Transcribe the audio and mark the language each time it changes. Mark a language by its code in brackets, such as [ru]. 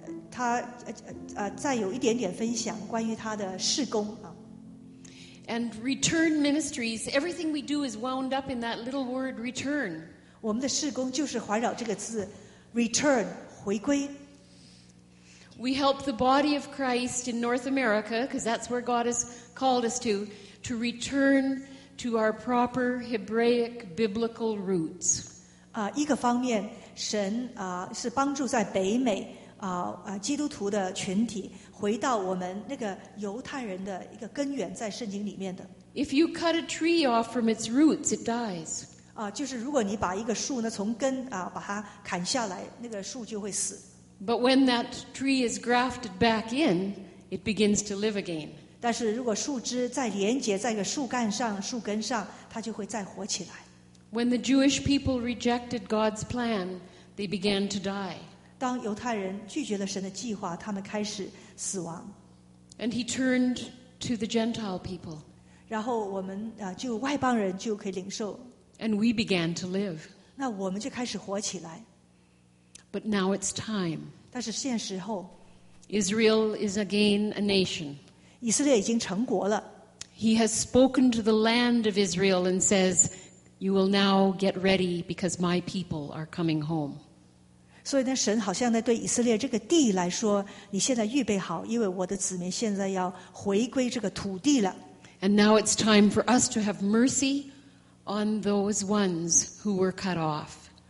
[zh] 她再有一点点分享关于她的事工啊。 [en] And Return Ministries, everything we do is wound up in that little word return. [zh] 我们的事工就是环绕这个字 ，return 回归。 [en] We help the body of Christ in North America because that's where God has called us to return. to our proper Hebraic biblical roots. [zh] 一个方面，神是帮助在北美基督徒的群体回到我们那个犹太人的一个根源，在圣经里面的。 [en] If you cut a tree off from its roots, it dies. [zh] 就是如果你把一个树呢从根把它砍下来，那个树就会死。 [en] But when that tree is grafted back in, it begins to live again. [zh] 但是如果树枝再连接在一个树干上、树根上，它就会再活起来。 [en] When the Jewish people rejected God's plan, they began to die. [zh] 当犹太人拒绝了神的计划，他们开始死亡。 [en] And he turned to the Gentile people. [zh] 然后我们就外邦人就可以领受。 [en] And we began to live. [zh] 那我们就开始活起来。 [en] But now it's time. [zh] 但是现时候。 [en] Israel is again a nation. [zh] 以色列已经成国了。 [en] He has spoken to the land of Israel and says,You will now get ready because my people are coming home. [zh] 所以呢，神好像在对以色列这个地来说，你现在预备好，因为我的子民现在要回归这个土地了。 [en] And now it's time for us to have mercy on those ones who were cut off.